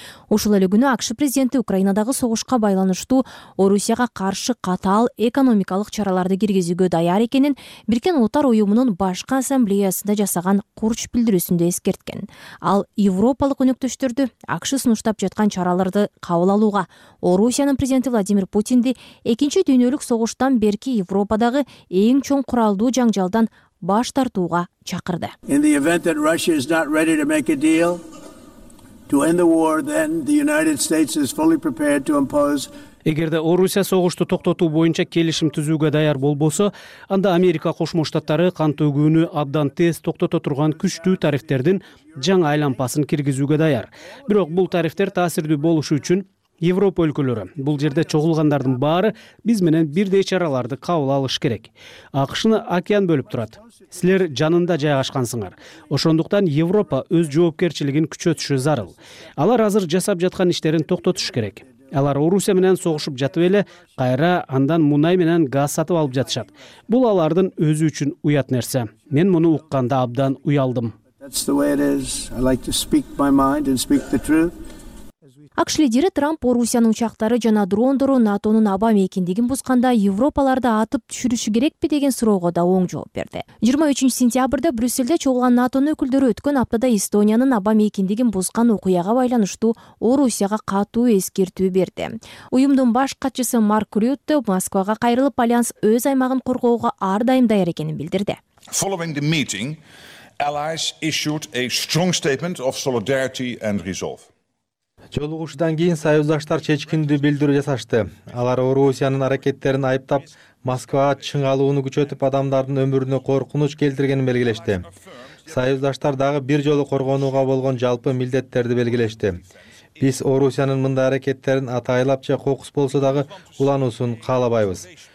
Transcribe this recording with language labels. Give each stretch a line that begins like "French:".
Kyrgyz: Ошол эле күнү АКШ президенти Украинадагы согушка байланыштуу Орусияга каршы катаал экономикалык чараларды киргизүүгө даяр экенин Бириккен Улуттар уюмунун башкы ассамблеясында жасаган курч билдирүүсүндө эскерткен. Ал европалык өнөктөштөрдү АКШ сунушта жаткан чараларды кабыл алууга Орусиянын президенти Владимир Путинди экинчи дүйнөлүк согуштан берки Европадагы эң чоң куралдуу жаңжалдан баш тартууга чакырды.
English: In the event that Russia is not ready to make a deal to end the war, then the United States is fully prepared to impose.
Kyrgyz: Эгерде Орусия согушту токтотуу боюнча келишим түзүүгө даяр болбосо, анда Америка Кошмо Штаттары кан төгүүнү абдан тез токтото турган күчтүү тарифтердин жаңы айлампасын киргизүүгө даяр. Бирок бул тарифтер таасирдүү болушу үчүн Европа өлкөлөрү, бул жерде чогулгандардын баары биз менен бирдей чараларды кабыл алыш керек. АКШ'ны океан бөлүп турат. Силер жанында жайгашкансыңар. Ошондуктан Европа өз жоопкерчилигин күчөтүшү зарыл. Алар азыр жасап жаткан иштерин токтотуш керек. Алар Орусия менен согушуп жатып эле кайра андан мунай менен газ сатып алып жатышат. Бул алардын өзү үчүн уят нерсе. Мен муну укканда абдан уялдым.
English: That's the way it is. I like to speak my mind and speak the truth.
Kyrgyz: АКШ лидери Трамп Орусиянын учактары жана дрондору НАТОнун аба мейкиндигин бузганда Европаларды атып түшүрүшү керекпи деген суроого да оң жооп берди. 23 сентябрда Брюссельде чогулган НАТОнун өкүлдөрү өткөн аптада Эстониянын аба мейкиндигин бузган окуяга байланыштуу Орусияга катуу эскертүү берди. Уюмдун баш катчысы Марк Рютте Москвага кайрылып, альянс өз аймагын коргоого ар дайым даяр экенин билдирди.
English: Following the meeting, allies issued a strong statement of solidarity and resolve.
Kyrgyz: Жолугушуудан кийин союздаштар чечкиндүү билдирүү жасашты. Алар Орусиянын аракеттерин айыптап, Москва чыңалууну күчөтүп, адамдардын өмүрүнө коркунуч келтиргенин белгилешти. Союздаштар дагы бир жолу коргонууга болгон жалпы милдеттерди белгилешти. Биз Орусиянын мындай аракеттерин атайлап же кокус болсо дагы улануусун каалабайбыз.